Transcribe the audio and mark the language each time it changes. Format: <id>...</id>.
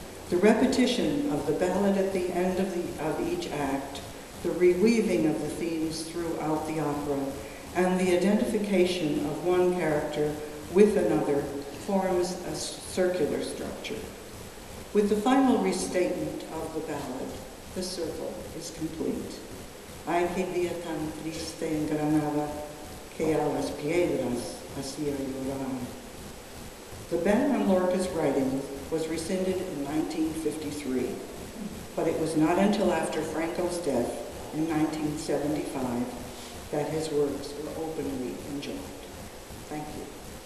<en>The repetition of the ballad at the end of each act, the reweaving of the themes throughout the opera, and the identification of one character with another forms a circular structure. With the final restatement of the ballad, the circle is complete.</en> <es>Aquel día tan triste en Granada que a las piedras hacía llorar.</es> <en>The ban on Lorca's writing was rescinded in 1953, but it was not until after Franco's death in 1975 that his works were openly enjoined. Thank you.</en>